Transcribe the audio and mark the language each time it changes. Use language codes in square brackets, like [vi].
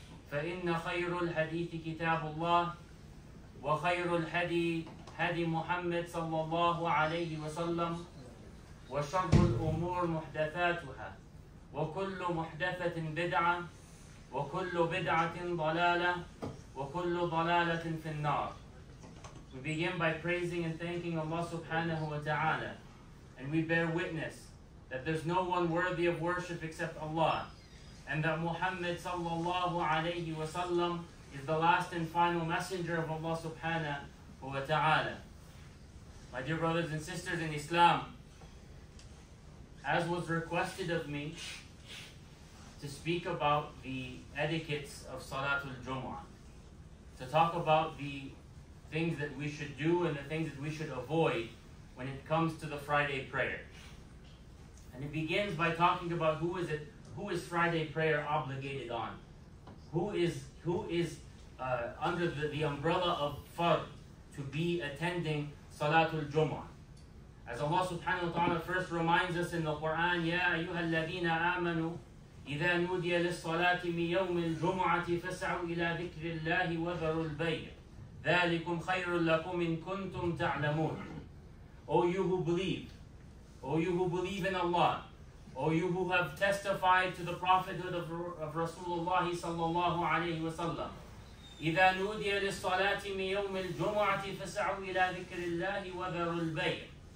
[ar] فإن خير الحديث كتاب الله وخير الهدي هدي محمد صلى الله عليه وسلم وشر الأمور محدثاتها وكل محدثة بدعة وكل بدعة ضلالة وكل ضلالة في النار. [en] We begin by praising and thanking Allah subhanahu wa ta'ala, and we bear witness that there's no one worthy of worship except Allah, and that Muhammad sallallahu alayhi wa sallam is the last and final messenger of Allah subhanahu wa ta'ala. My dear brothers and sisters in Islam, as was requested of me, to speak about the etiquettes of Salatul Jumu'ah, to talk about the things that we should do and the things that we should avoid when it comes to the Friday prayer. And it begins by talking about who is Friday prayer obligated on? Who is under the umbrella of Fard to be attending Salatul Jumu'ah? As Allah subhanahu wa ta'ala first reminds us in the Quran, [ar] يَا أَيُّهَا الَّذِينَ آمَنُوا إِذَا نُودِيَ لِلصَّلَاةِ مِنْ يَوْمِ الْجُمُعَةِ فَسَعُوا إِلَىٰ ذِكْرِ اللَّهِ وَذَرُوا الْبَيْعِ ذَلِكُمْ خَيْرٌ لَكُمْ إِن كُنْتُمْ تَعْلَمُونَ. [en] O you who believe, O you who believe in Allah, O you who have testified to the prophethood of Rasulullah sallallahu alayhi wa sallam, [ar] إِذَا نُودِيَ لِلصَّلَاةِ مِنْ يَوْمِ الْجُمُعَةِ فَسَعُوا إِلَىٰ ذِكْرِ اللَّهِ وَذَرُوا الْبَيْعِ.